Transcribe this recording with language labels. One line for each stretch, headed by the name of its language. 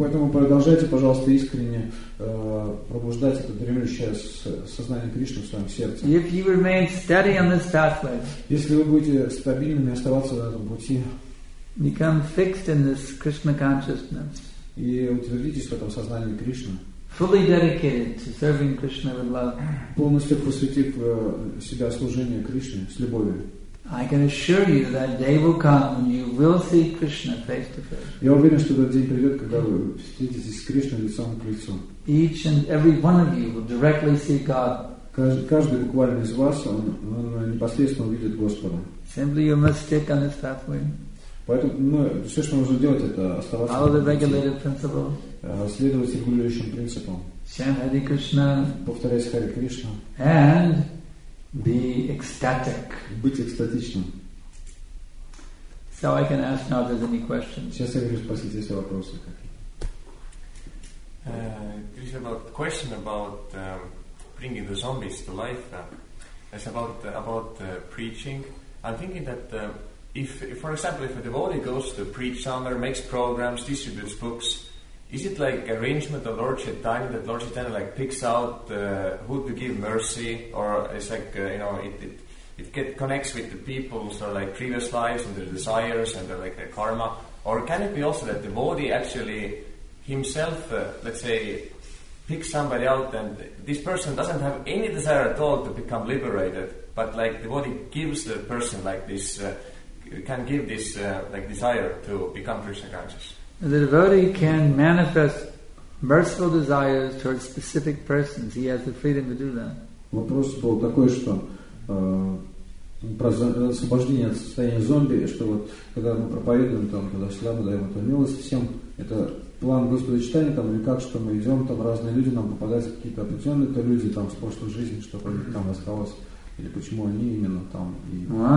Russian: Поэтому продолжайте, пожалуйста, искренне пробуждать это дремлющее сознание Кришны в своем сердце.
English: If you remain steady on this pathway,
Russian: если вы будете стабильными оставаться на этом пути,
English: become fixed in this Krishna consciousness,
Russian: и утвердитесь в этом сознании Кришны.
English: Fully dedicated to serving Krishna with love,
Russian: полностью посвятив себя служению Кришне с любовью.
English: I can assure you that day will come when you will see Krishna face to face.
Russian: Я уверен, что этот день придет, когда вы встретитесь с Кришной лицом к лицу.
English: Each and every one of you will directly see God.
Russian: Каждый буквально из вас он непосредственно увидит Господа.
English: Simply you must stick on this pathway.
Russian: Поэтому все, что нужно делать, это оставаться.
English: Follow the regulated principle.
Russian: Следовать регулирующим принципам.
English: Chant Hare Krishna.
Russian: Повторять Хари Кришна.
English: And be ecstatic.
Russian: Быть экстатичным.
English: So I can ask now if there's any questions.
Russian: Сейчас я хочу спросить, есть вопросы какие-то.
English: Krishna, about the question about bringing the zombies to life. It's about preaching. I'm thinking that if for example, if a devotee goes to preach somewhere, makes programs, distributes books, is it like arrangement of Lord Chaitanya that Lord Chaitanya like picks out who to give mercy, or it's like it connects with the people's or like previous lives and their desires and their like their karma, or can it be also that the devotee actually himself let's say picks somebody out and this person doesn't have any desire at all to become liberated, but like the devotee gives the person like this can give this like desire to become Krishna conscious. The devotee can manifest merciful desires towards specific persons. He has the freedom to do that.
Russian: Вопрос был такой, что про освобождение от состояния зомби, что вот когда мы проповедуем там туда-сюда, мы даем эту милость всем, это план Господа Читания там или как, что мы идем, там разные люди, нам попадаются какие-то определенные это люди там с прошлой жизни, что у них там осталось, или почему они именно там и.